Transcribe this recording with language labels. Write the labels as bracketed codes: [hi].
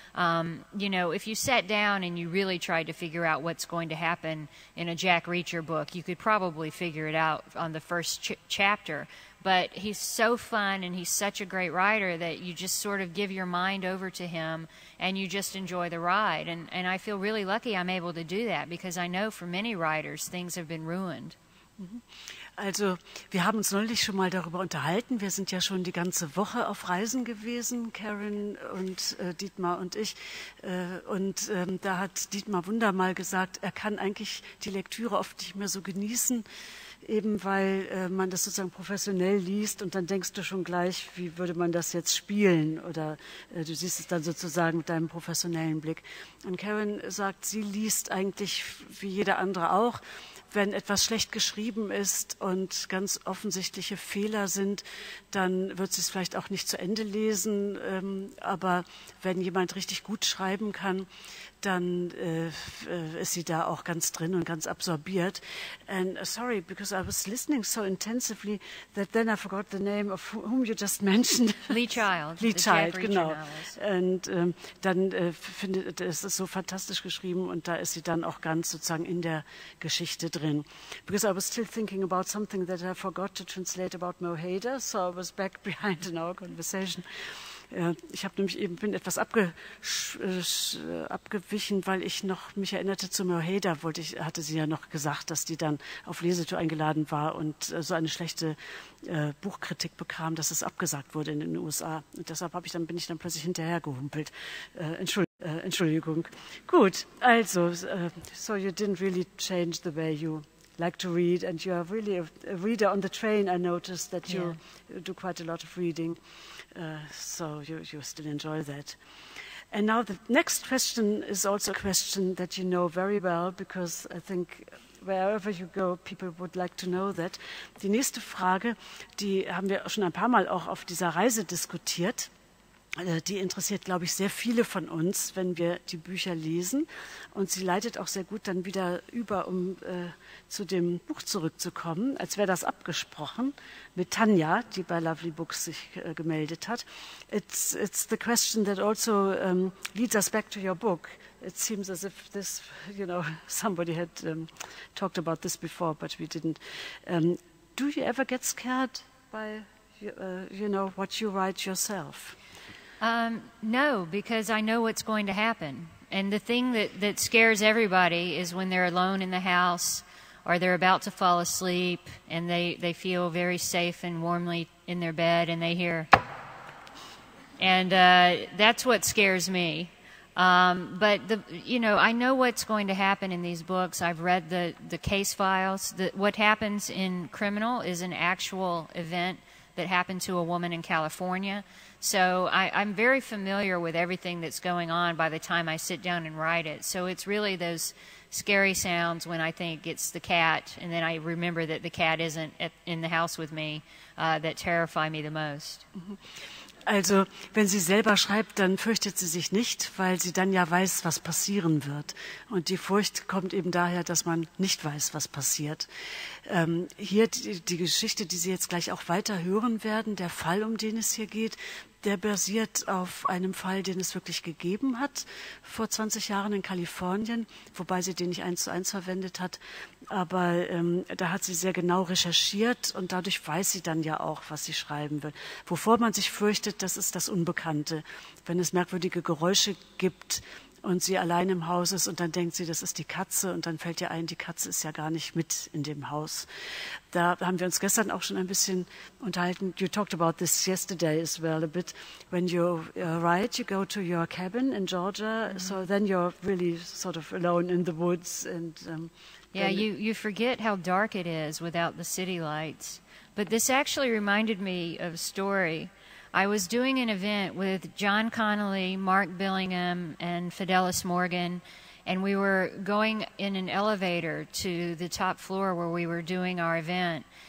[en] You know, if you sat down and you really tried to figure out what's going to happen in a Jack Reacher book, you could probably figure it out on the first chapter. But he's so fun and he's such a great writer that you just sort of give your mind over to him and you just enjoy the ride. And I feel really lucky I'm able to do that, because I know for many writers things have been ruined. [de] Also, wir haben uns neulich schon mal darüber unterhalten. Wir sind ja schon die ganze Woche auf Reisen gewesen, Karen und Dietmar und ich. Da hat Dietmar Wunder mal gesagt, er kann eigentlich die Lektüre oft nicht mehr so genießen, eben weil man das sozusagen professionell liest und dann denkst du schon gleich, wie würde man das jetzt spielen, oder du siehst es dann sozusagen mit deinem professionellen Blick. Und Karen sagt, sie liest eigentlich wie jeder andere auch. Wenn etwas schlecht geschrieben ist und ganz offensichtliche Fehler sind, dann wird sie es vielleicht auch nicht zu Ende lesen. Aber wenn jemand richtig gut schreiben kann, dann ist sie da auch ganz drin und ganz absorbiert. [en] And sorry, because I was listening so intensively that then I forgot the name of whom you just mentioned. Lee Child. [de] Lee Child, genau. Und dann findet, es ist so fantastisch geschrieben und da ist sie dann auch ganz sozusagen in der Geschichte drin. [en] Because I was still thinking about something that I forgot to translate about Mo Hayder, so I was back behind in our conversation. [de] Ich habe nämlich eben bin etwas abgewichen, weil ich noch mich erinnerte zu Mo Hayder, hatte sie ja noch gesagt, dass die dann auf Lesetour eingeladen war und so eine schlechte Buchkritik bekam, dass es abgesagt wurde in den USA. Und deshalb bin ich dann plötzlich hinterhergehumpelt. Entschuldigung. Gut, also, [en] so you didn't really change the way you like to read, and you are really a reader on the train. I noticed that you yeah. do quite a lot of reading. So you still enjoy that. And now the next question is also a question that you know very well, because I think wherever you go, people would like to know that. [de] Die nächste Frage, die haben wir schon ein paar Mal auch auf dieser Reise diskutiert, die interessiert, glaube ich, sehr viele von uns, wenn wir die Bücher lesen. Und sie leitet auch sehr gut dann wieder über, um zu dem Buch zurückzukommen, als wäre das abgesprochen, mit Tanja, die bei Lovely Books sich gemeldet hat. [en] It's the question that also leads us back to your book. It seems as if this, you know, somebody had talked about this before, but we didn't. Do you ever get scared by, you know, what you write yourself? No, because I know what's going to happen. And the thing that scares everybody is when they're alone in the house or they're about to fall asleep and they feel very safe and warmly in their bed and they hear. And that's what scares me. I know what's going to happen in these books. I've read the case files. What happens in Criminal is an actual event that happened to a woman in California. So I'm very familiar with everything that's going on by the time I sit down and write it. So it's really those scary sounds when I think it's the cat, and then I remember that the cat isn't in the house with me, that terrify me the most. [de] Also, wenn sie selber schreibt, dann fürchtet sie sich nicht, weil sie dann ja weiß, was passieren wird. Und die Furcht kommt eben daher, dass man nicht weiß, was passiert. Hier die Geschichte, die Sie jetzt gleich auch weiter hören werden, der Fall, um den es hier geht, der basiert auf einem Fall, den es wirklich gegeben hat, vor 20 Jahren in Kalifornien, wobei sie den nicht 1:1 verwendet hat. Aber da hat sie sehr genau recherchiert und dadurch weiß sie dann ja auch, was sie schreiben will. Wovor man sich fürchtet, das ist das Unbekannte. Wenn es merkwürdige Geräusche gibt und sie allein im Haus ist und dann denkt sie, das ist die Katze und dann fällt ihr ein, die Katze ist ja gar nicht mit in dem Haus. Da haben wir uns gestern auch schon ein bisschen unterhalten. [en] You talked about this yesterday as well a bit. When you write, you go to your cabin in Georgia, mm-hmm. so then you're really sort of alone in the woods. And Yeah, you forget how dark it is without the city lights. But this actually reminded me of a story. I was doing an event with John Connolly, Mark Billingham, and Fidelis Morgan, and we were going in an elevator to the top floor where we were doing our event.